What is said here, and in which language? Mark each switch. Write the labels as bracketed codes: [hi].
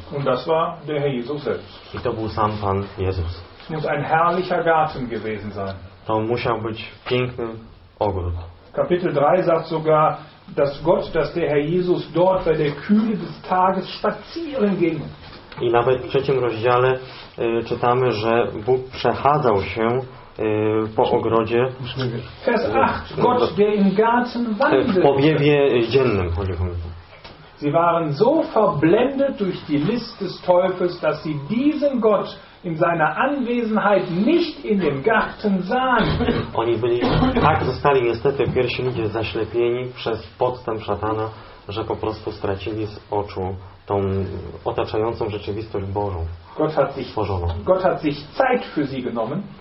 [de] Und das war der Herr Jesus selbst. [pl] I to był sam Pan Jezus. [de] Es muss ein herrlicher Garten gewesen sein. [pl] To musiał być piękny ogród. [de] Kapitel 3 sagt sogar, dass Gott, dass der Herr Jesus dort bei der Kühle des Tages spazieren ging. [pl] I nawet w trzecim rozdziale czytamy, że Bóg przechadzał się po ogrodzie. [de] Vers 8. Gott, der im Garten wandelte. [pl] W powiewie dziennym. [de] Sie waren so verblendet durch die List des Teufels, dass sie diesen Gott in seiner Anwesenheit nicht in dem Garten sahen. [pl] Oni byli tak zostali niestety pierwsi ludzie zaślepieni przez podstęp szatana, że po prostu stracili z oczu tą otaczającą rzeczywistość Bożą. [de] Gott hat sich Zeit für sie genommen.